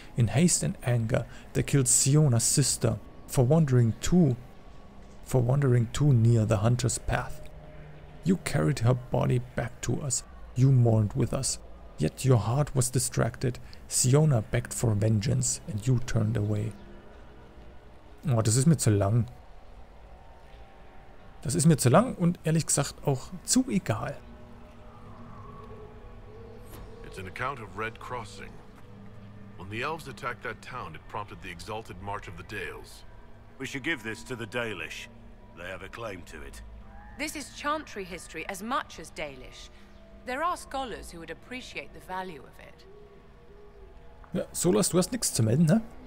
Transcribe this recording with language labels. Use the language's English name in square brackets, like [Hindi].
[English] In haste and anger, they killed Siona's sister for wandering too near the hunter's path. You carried her body back to us. You mourned with us. Yet your heart was distracted. Siona begged for vengeance and you turned away. [German] Oh, das ist mir zu lang. Das ist mir zu lang und ehrlich gesagt auch zu egal. [English] It's an account of Red Crossing. When the elves attacked that town, it prompted the exalted march of the Dales. We should give this to the Dalish. They have a claim to it. This is Chantry history as much as Dalish. There are scholars who would appreciate the value of it. [German] Ja, Solas, du hast nichts zu melden, ne?